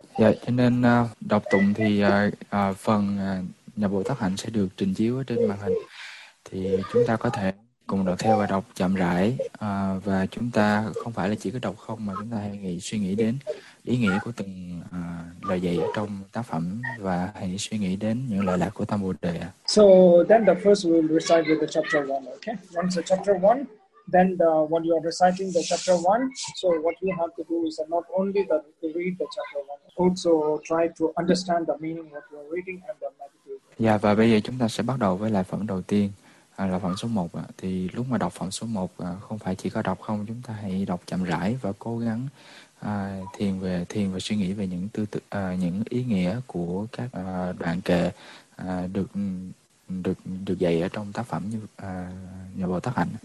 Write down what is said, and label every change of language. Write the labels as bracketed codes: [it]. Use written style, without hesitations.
[vi] Dạ, cho nên đọc tụng thì phần nhà Bồ Tát Hạnh sẽ được trình chiếu ở trên màn hình. Thì chúng ta có thể cùng đọc theo và đọc chậm rãi, và chúng ta không phải là chỉ có đọc không, mà chúng ta hãy suy nghĩ đến ý nghĩa của từng lời dạy ở trong tác phẩm và hãy suy nghĩ đến những lợi lạc của tâm Bồ Đề. [en] So then the first we'll recite with the chapter one, okay? Once the chapter one, then when you are reciting the chapter one, so what you have to do is not only that you read the chapter one, also try to understand the meaning of your reading and the meditation. [vi] Dạ, và bây giờ chúng ta sẽ bắt đầu với lại phần đầu tiên, là phần số 1. Thì lúc mà đọc phần số 1, không phải chỉ có đọc không, chúng ta hãy đọc chậm rãi và cố gắng thiền và suy nghĩ về những tư tưởng, những ý nghĩa của các đoạn kệ được được được dạy ở trong tác phẩm như nhà Bồ Tát Hạnh.